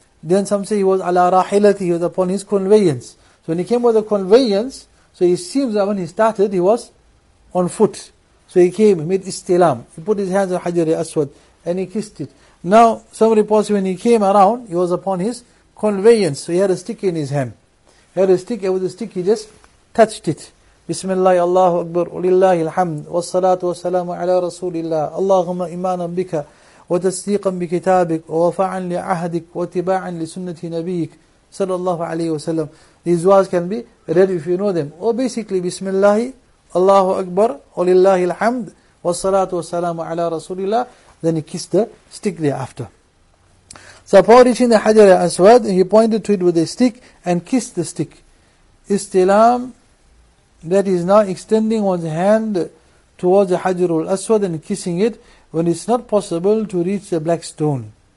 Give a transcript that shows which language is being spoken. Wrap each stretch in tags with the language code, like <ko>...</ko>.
<en>Then some say he was ala rahilati, he was upon his conveyance. So when he came with the conveyance, so it seems that when he started, he was on foot. So he came, he made istilam. He put his hands on Hajar al-Aswad and he kissed it. Now, some reports when he came around, he was upon his conveyance. So he had a stick in his hand. He had a stick, and with the stick he just touched it.</en> <ar>بسم الله الله أكبر ولله الحمد والصلاة والسلام على رسول الله اللهم إيمانا بك وتصديقا بكتابك ووفاعا لعهدك واتباعا لسنة نبيك صلى الله عليه وسلم.</ar> <en>These words can be read if you know them. Or basically,</en> <ar>بسم الله الله أكبر ولله الحمد والصلاة والسلام على رسول الله.</ar> <en>Then he kissed the stick thereafter. So upon reaching the Hajar al-Aswad, he pointed to it with a stick and kissed the stick. Istilam, that is now extending one's hand towards the Hajar al-Aswad and kissing it when it's not possible to reach the black stone.</en>